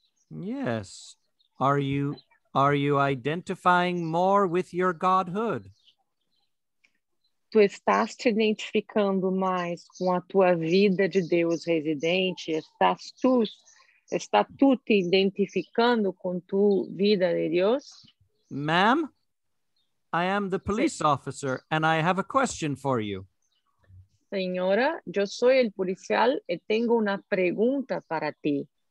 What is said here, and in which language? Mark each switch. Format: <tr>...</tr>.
<en>Yes. Are you identifying more with your godhood?</en> <pt>Tu estás te identificando mais com a tua vida de Deus residente? Está tu te identificando com tua vida de Deus?</pt> <en>Ma'am, I am the police officer and I have a question for you.</en> <pt>Senhora, eu sou o policial e tenho uma pergunta para ti.</pt>